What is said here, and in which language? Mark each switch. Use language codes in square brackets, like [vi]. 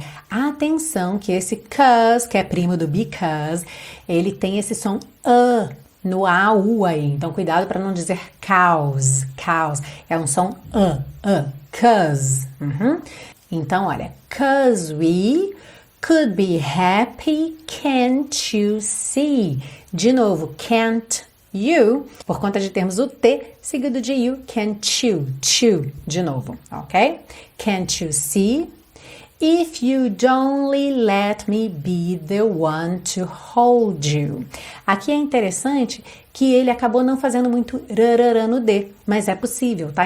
[pt] Atenção que esse cause, que é primo do because, ele tem esse som a. No A, U aí. Então, cuidado para não dizer cause. Cause. É um som cause. Então, olha. [en] Cause we could be happy, can't you see? [pt] De novo, [en] can't you, [pt] por conta de termos o T seguido de you, can't you, to, de novo, ok? [en] Can't you see? If you'd only let me be the one to hold you. [pt] Aqui é interessante que ele acabou não fazendo muito rararã no D, mas é possível, tá?